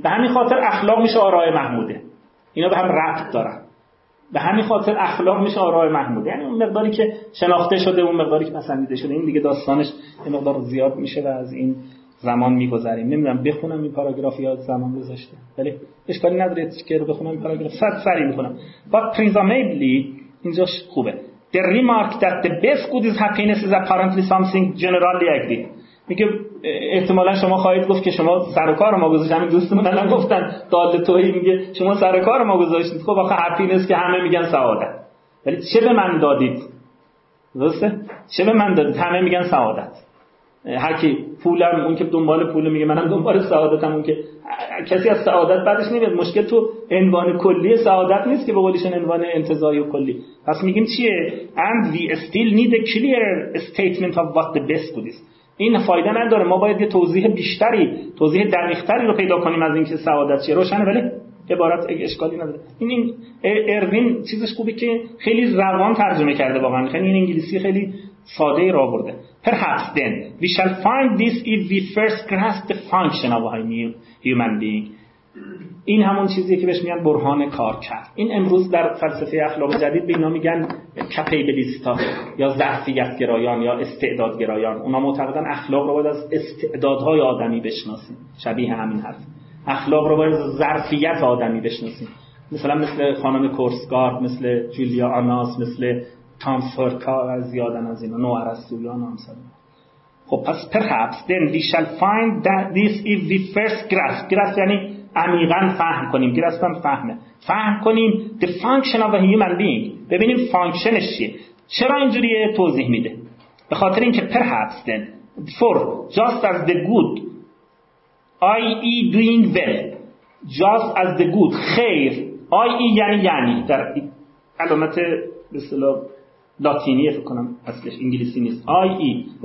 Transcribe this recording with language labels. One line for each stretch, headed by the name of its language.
Persian: به همین خاطر اخلاق میشه آراء محموده، اینا به هم ربط دارن، به همین خاطر اخلاق میشه آراء محموده، یعنی اون مقداری که شناخته شده، اون مقداری که پسندیده شده. این دیگه داستانش یه مقدار زیاد میشه و از این زمان میگذریم، نمیدونم بخونم این پاراگراف یا زمان گذشته، ولی اشکالی نداره که رو بخونم این پاراگراف، صد سری میخونم.
English: But presumably
Persian: اینجاش خوبه،
English: the remark that the best good is happiness is apparently something generally agreed.
Persian: میگه احتمالا شما خواهید گفت که شما سر و کار ما گذاشتید، دوستمون الان گفتن دال توی میگه شما سر و کار ما گذاشتید، خب آخه happiness که همه میگن سعادت، ولی چه به من دادید؟ درسته؟ چه به من دادید؟ همه میگن سعادت، هر کی پولم، اون که دنبال پول میگه منم دنبال سعادتم، اون که کسی از سعادت بعدش نمیاد. مشکل تو عنوان کلی سعادت نیست که به قولیشون عنوان انتزاعی و کلی. پس میگیم چیه؟
English: And we still need a clear statement of what the best good is.
Persian: این فایده نداره، ما باید یه توضیح بیشتری، توضیح دقیق‌تری رو پیدا کنیم از اینکه سعادت چیه. روشنه ولی عبارت اشکالی نداره. این اروین چیزش خوبی که خیلی روان ترجمه کرده واقعا، یعنی این انگلیسی خیلی ساده راه برده.
English: Perhaps then we shall find this if we first grasp the function of a human being.
Persian: این همون چیزیه که بهش میگن برهان کار کرد. این امروز در فلسفه اخلاق جدید به اینا میگن کپیبلیستا یا ظرفیت گرایان یا استعداد گرایان. اونا معتقدن اخلاق رو باید از استعدادهای آدمی بشناسیم. شبیه همین حرف. اخلاق رو باید از ظرفیت آدمی بشناسیم. مثلا مثل خانم کورسگارد، مثل جولیا آناس، مثل تام فورکا از یادن از اینا نو ارسطویان هم سن. خب پس
English: perhaps then we shall find that this if we first grasp.
Persian: grasp یعنی عمیقا فهم کنیم.
English: grasp
Persian: هم فهمه. فهم کنیم
English: the function of a human being.
Persian: ببینیم فانکشنش چیه. چرا اینجوریه توضیح میده؟ به خاطر اینکه
English: perhaps then for just as the good i.e. doing well just as the good خیر i.e.
Persian: یعنی در علامت به اصطلاح لاتینیه فکر کنم اصلش انگلیسی نیست i.e.